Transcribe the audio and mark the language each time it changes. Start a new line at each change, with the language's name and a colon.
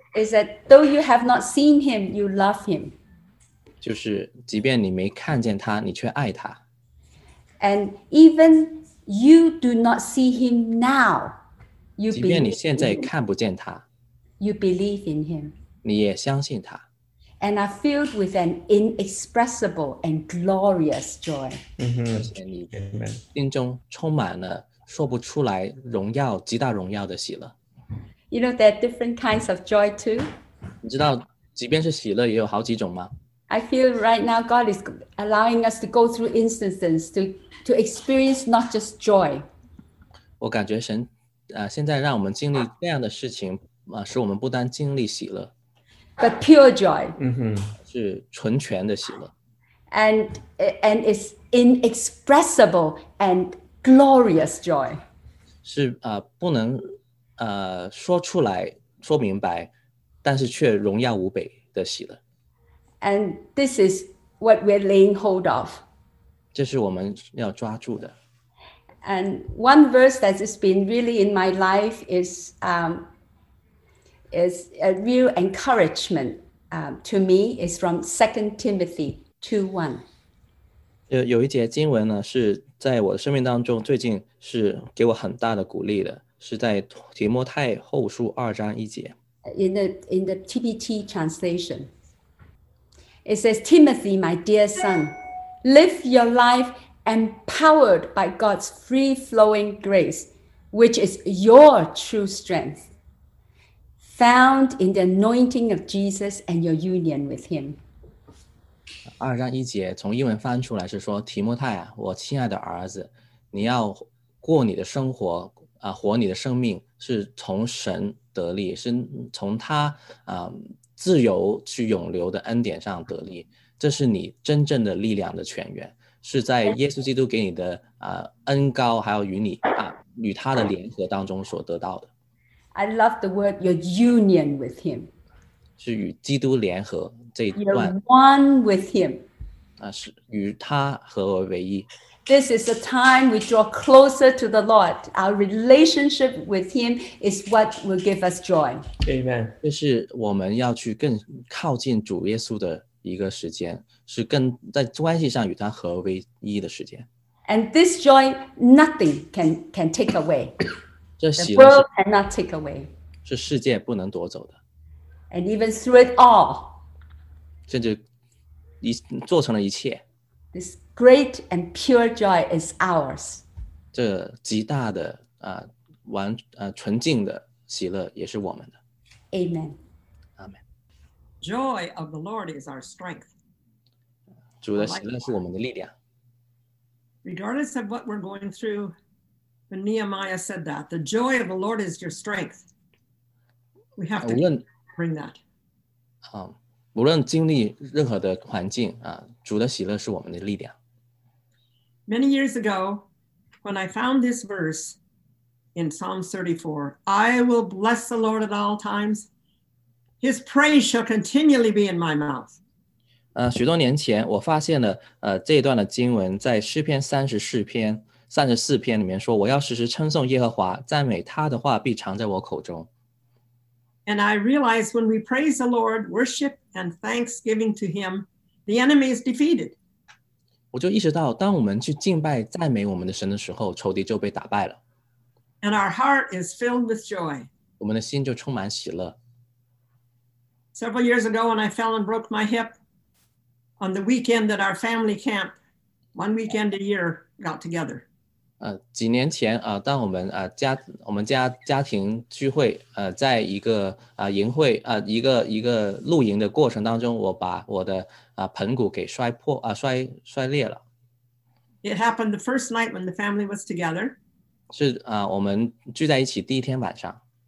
English: Is that though you have not seen him, you love him.
Chinese: 就是即便你没看见他，你却爱他。
English: And evenYou do not see him now. You believe.
Chinese: 即便你现在看不见他
English: you believe in him.
Chinese: 你也相信他
English: and are filled with an inexpressible and glorious joy.
Chinese: 你心中充满了说不出来荣耀极大荣耀的喜乐
English: You know there are different kinds of joy too.
Chinese: 你知道，即便是喜乐，也有好几种吗？
English: I feel right now God is allowing us to go through instances to experience not just joy.
Chinese: 我感觉神现在让我们经历这样的事情使我们不单经历喜乐
English: but pure joy.
Chinese: 是纯全的喜乐
English: and it's inexpressible and glorious joy.
Chinese: 是不能说出来说明白但是却荣耀无比的喜乐。
English: And this is what we're laying hold of.
Chinese: 这是我们要抓住的。
English: And one verse that has been really in my life is a real encouragement to me is from 2 Timothy 2:1.
Chinese: 有一节经文呢，是在我的生命当中最近是给我很大的鼓励的，是在提摩太后书2:1.
English: In the TPT translation. It says, Timothy, my dear son, live your life empowered by God's free-flowing grace, which is your true strength, found in the anointing of Jesus and your union with him.
Chinese: 2:1, 从英文翻出来是说，提摩太啊，我亲爱的儿子，你要过你的生活，活你的生命，是从神得力，是从他，自由去永留的恩典上得力，这是你真正的力量的泉源，是在耶稣基督给你的恩膏，还有与你与他的联合当中所得到的。
English: I love the word your union with him，
Chinese: 是与基督联合这一段。
English: You're one with him，
Chinese: 是与他合而为一。
English: This is the time we draw closer to the Lord. Our relationship with Him is what will give us joy. Amen.
Chinese: 这是我们要去更靠近主耶稣的一个时间，是更在关系上与他合为一的时间。
English: And this joy, nothing can take away.
Chinese: 这喜乐是
English: The world cannot take away.
Chinese: 是世界不能夺走的。
English: And even through it all.
Chinese: 甚至做成了一切。
English: This great and pure joy is ours.
Chinese: 这极大的啊完啊纯净的喜乐也是我们的。
English: Amen. Amen. Joy of the Lord is our strength.
Chinese: 主的喜乐是我们的力量。
English: Regardless of what we're going through, when Nehemiah said that, the joy of the Lord is your strength. We have to bring that.
Chinese: 无论经历任何的环境啊，主的喜乐是我们的力量。
English: Many years ago, when I found this verse in Psalm 34, I will bless the Lord at all times. His praise shall continually be in my mouth.
Chinese: 许多年前我发现了这段的经文在诗篇34篇里面说，我要时时称颂耶和华，赞美他的话必藏在我口中。
English: And I realized when we praise the Lord, worship and thanksgiving to him, the enemy is defeated.
Chinese: 我就意识到当我们去敬拜赞美我们的神的时候，仇敌就被打败了。
English: And our heart is filled with joy.
Chinese: 我们的心就充满喜乐。
English: Several years ago when I fell and broke my hip, on the weekend at our family camp, one weekend a year got together.
Chinese: 几年前当我们家庭聚会在一个营会一个露营的过程当中，我把我的盆骨给摔裂了。
English: It happened the first night when the family was together.
Chinese: 是我们聚在一起第一天晚上。